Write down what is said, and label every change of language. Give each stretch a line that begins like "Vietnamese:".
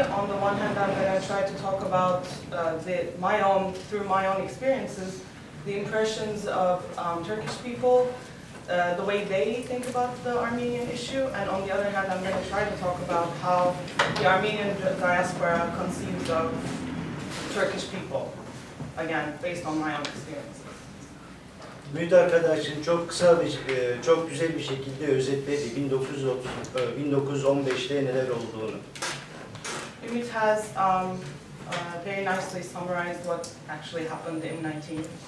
English: On the one hand, I'm going to try to talk about my own experiences, the impressions of Turkish people, the way they think about the Armenian issue, and on the other hand, I'm going to try to talk about how the Armenian diaspora conceives of Turkish people, again, based on my own experience.
Turkish: Müdür arkadaşın çok kısa ve çok güzel bir şekilde özetledi 1915'te neler olduğunu.
English: Umit has very nicely summarized what actually happened in 1915.